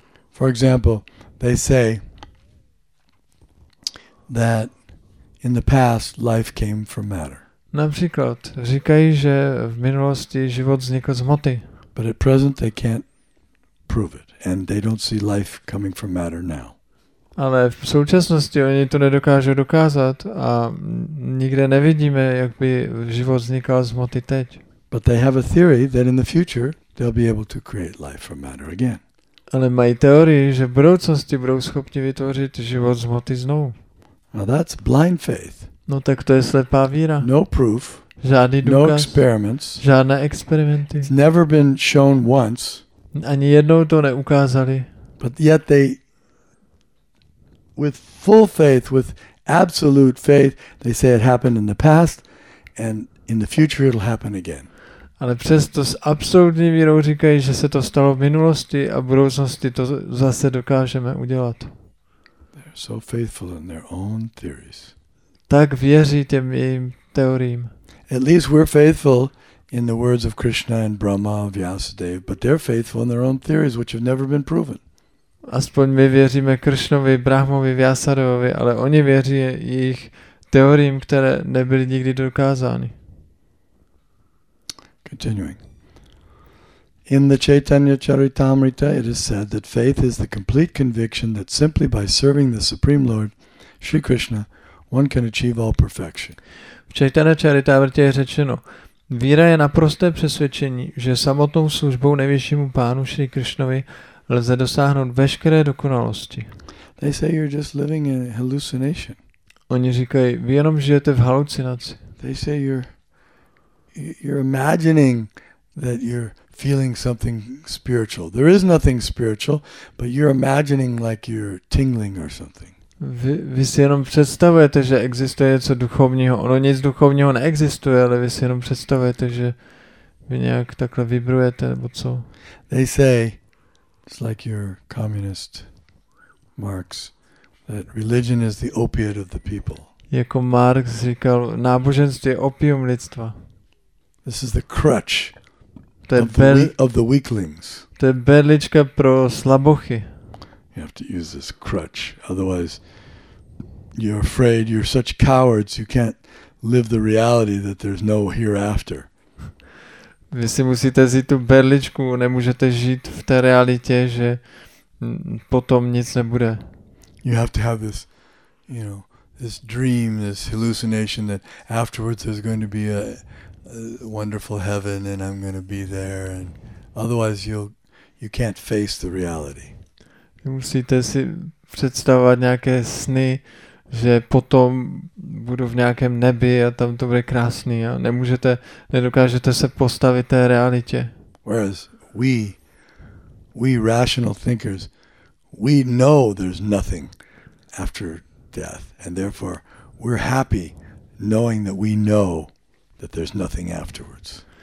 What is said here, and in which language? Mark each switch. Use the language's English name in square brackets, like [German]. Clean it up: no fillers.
[English] For example, they say that in the past life came from matter. [Czech] Například říkají, že v minulosti život vznikl z hmoty. [English] But at present they can't prove it and they don't see life coming from matter now. [Czech] Ale v současnosti oni to nedokážou dokázat a nikde nevidíme, jak by život vznikal z hmoty teď. [English] But they have a theory that in the future they'll be able to create life from matter again. [Czech] Ale mají teorii, že v budoucnosti budou schopni vytvořit život z hmoty znovu. [English] Now that's blind faith. [Czech] No tak to je slepá víra. [English] No proof. [Czech] Žádný důkaz. [English] No experiments. [Czech] Žádné experimenty. [English] It's never been shown once. [Czech] Ani jednou to neukázali. [English] But yet they with full faith, with absolute faith, they say it happened in the past and in the future it'll happen again. [Czech] Ale přesto s absolutní vírou říkají, že se to stalo v minulosti a v budoucnosti to zase dokážeme udělat. [English] They're so faithful in their own theories. [Czech] Tak věří těm jejím teoriím. [English] At least we're faithful in the words of Krishna and Brahma, Vyasadeva, but they're faithful in their own theories, which have never been proven. [Czech] Aspoň my věříme Kršnovi, Brahmovi, Vyasadevovi, ale oni věří jejich teoriím, které nebyly nikdy dokázány. [English] Continuing. In the Chaitanya Charitamrita, it is said that faith is the complete conviction that simply by serving the Supreme Lord, Sri Krishna, one can achieve all perfection. [Czech] V Chaitanya Charitamrita je řečeno, víra je naprosté přesvědčení, že samotnou službou nejvyššímu pánu Sri Krishnovi lze dosáhnout veškeré dokonalosti. [English] They say you're just living in a hallucination. [Czech] Oni říkají, vy jenom žijete v halucinaci. [English] They say you're imagining that you're feeling something spiritual. There is nothing spiritual, but you're imagining like you're tingling or something. [Czech] Vy si jenom představujete, že existuje něco duchovního. Ono nic duchovního neexistuje, ale vy si jenom představujete, že vy nějak takhle vibrujete, nebo co? [English] They say, it's like your communist Marx, that religion is the opiate of the people. [Czech] Jako Marx říkal, náboženství je opium lidstva. [English] This is the crutch of the weaklings. [Czech] To je berlička pro slabochy. [English] You have to use this crutch, otherwise you're afraid, you're such cowards, you can't live the reality that there's no hereafter. [Czech] Vy si musíte vzít tu berličku, nemůžete žít v té realitě, že potom nic nebude. [English] You have to have this, you know, this dream, this hallucination that afterwards there's going to be a wonderful heaven and I'm going to be there, and otherwise you can't face the reality. [Czech] Musíte si představovat nějaké sny, že potom budu v nějakém nebi a tam to bude krásný a nedokážete se postavit té realitě. [English] Whereas we rational thinkers, we know there's nothing after death and therefore we're happy knowing that we know that there's nothing afterwards.